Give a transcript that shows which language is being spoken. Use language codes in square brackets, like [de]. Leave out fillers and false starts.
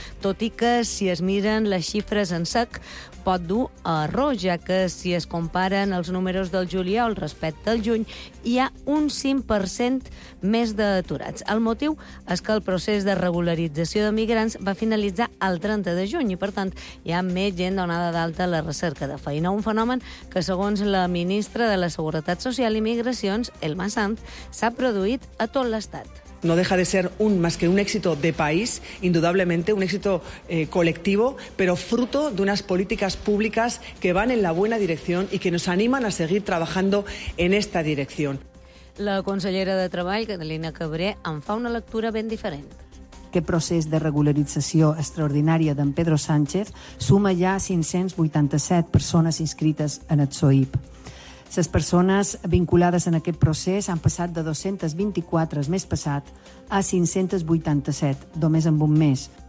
[ca] Tot i que, si es miren les xifres en sec, pot dur a error, ja que si es comparen els números del juliol respecte al juny, hi ha un 5% més d'aturats. El motiu és que el procés de regularització de migrants va finalitzar el 30 de juny i, per tant, hi ha més gent donada d'alta a la recerca de feina. Un fenomen que, segons la ministra de la Seguretat Social i Migracions, Elma Sanz, s'ha produït a tot l'Estat. [es] No deja de ser un más que un éxito de país, indudablemente un éxito colectivo, pero fruto de unas políticas públicas que van en la buena dirección y que nos animan a seguir trabajando en esta dirección. [ca] La consellera de Treball, Catalina Cabré, en fa una lectura ben diferent. Aquest procés de regularització extraordinària d'en Pedro Sánchez suma ja 587 persones inscrites en el SOIP. Les persones vinculades en aquest procés han passat de 224 el mes passat a 587, només en un mes.